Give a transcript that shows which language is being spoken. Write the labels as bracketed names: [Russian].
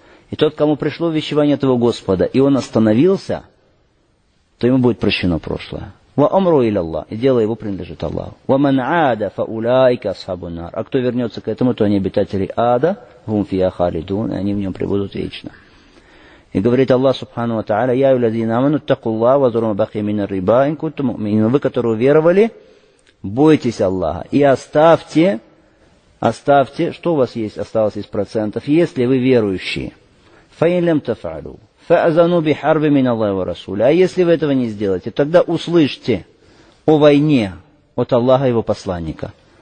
[Russian] И тот, кому пришло вещевание твоего Господа, и он остановился, то ему будет прощено прошлое. [Arabic] وَأَمْرُوا إِلَى اللَّهِ. [Russian] И дело его принадлежит Аллаху. [Arabic] وَمَنْ عَادَ فَأُولَٰئِكَ أَصْحَابُ النَّارِ. [Russian] А кто вернется к этому, то они обитатели ада, [Arabic] هُمْ فِيهَا خَالِدُونَ. [Russian] И они в нем пребудут вечно. И говорит Аллах Субхану ва Тааля: «Я [Arabic] الَّذِينَ آمَنُوا اتَّقُوا اللَّهَ وَذَرُوا مَا بَقِيَ مِنَ الرِّبَا إِن كُنتُم مُؤْمِنِينَ». [Russian] Вы, которые уверовали, бойтесь Аллаха и оставьте, что у вас есть, осталось из процентов, если вы верующие. [Arabic] فَإِن لَّمْ تَفْعَلُوا فَأَذَنُوا بِحَرْبٍ مِنَ اللَّهِ وَرَسُولِ. [Russian] А если вы этого не сделаете, тогда услышьте о войне от Аллаха и его посланника.